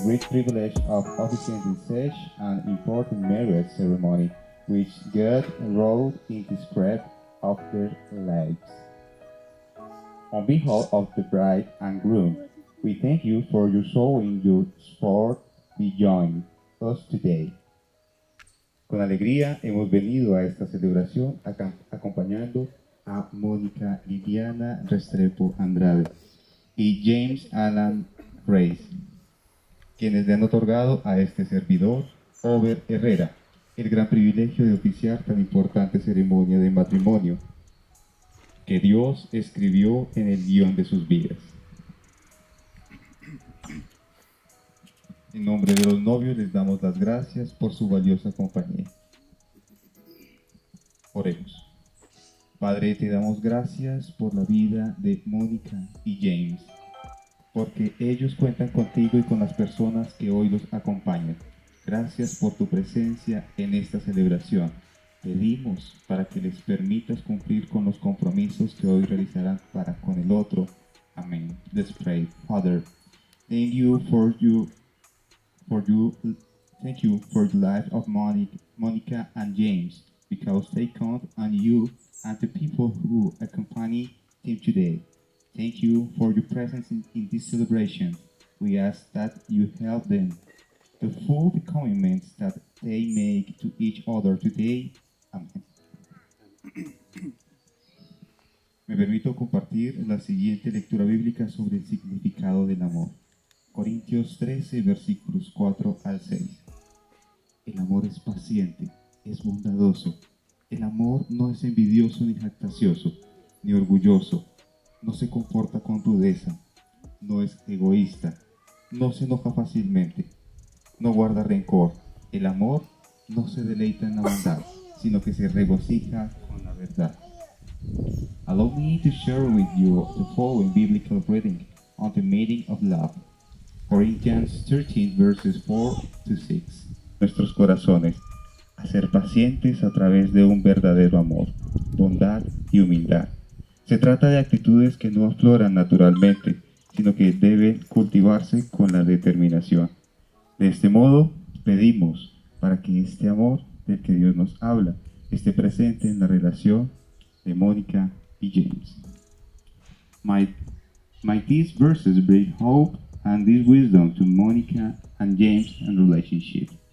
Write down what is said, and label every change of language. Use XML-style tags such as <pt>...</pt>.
<en>Privilege of officiating in such an important marriage ceremony which God wrote in the script of their lives. On behalf of the bride and groom, we thank you for your showing your support to join us today.</en> <es>Con alegría hemos venido a esta celebración acompañando a Mónica Liliana Restrepo Andrade y James Alan Reyes, quienes le han otorgado a este servidor, Over Herrera, el gran privilegio de oficiar tan importante ceremonia de matrimonio que Dios escribió en el guión de sus vidas. En nombre de los novios les damos las gracias por su valiosa compañía. Oremos. Padre, te damos gracias por la vida de Mónica y James, porque ellos cuentan contigo y con las personas que hoy los acompañan. Gracias por tu presencia en esta celebración. Pedimos para que les permitas cumplir con los compromisos que hoy realizarán para con el otro.</es> <en>Amén. Let's pray. Father, thank you for the life of Monica and James, because they count on you and the people who accompany them today. Thank you for your presence in this celebration. We ask that you help them to fulfill the commitments that they make to each other today. Amen.</en> <es>Me permito compartir la siguiente lectura bíblica sobre el significado del amor. Corintios 13, versículos 4 al 6. El amor es paciente, es bondadoso. El amor no es envidioso ni jactancioso, ni orgulloso. No se comporta con rudeza, no es egoísta, no se enoja fácilmente, no guarda rencor. El amor no se deleita en la bondad, sino que se regocija con la verdad.</es> <en>Allow me to share with you the following biblical reading on the meaning of love. Corinthians 13, verses 4 to 6.</en> <es>Nuestros corazones, a ser pacientes a través de un verdadero amor, bondad y humildad. Se trata de actitudes que no afloran naturalmente, sino que deben cultivarse con la determinación. De este modo, pedimos para que este amor del que Dios nos habla esté presente en la relación de Mónica y James.</es> <en>May these verses bring hope and this wisdom to Mónica and James and relationship.</en>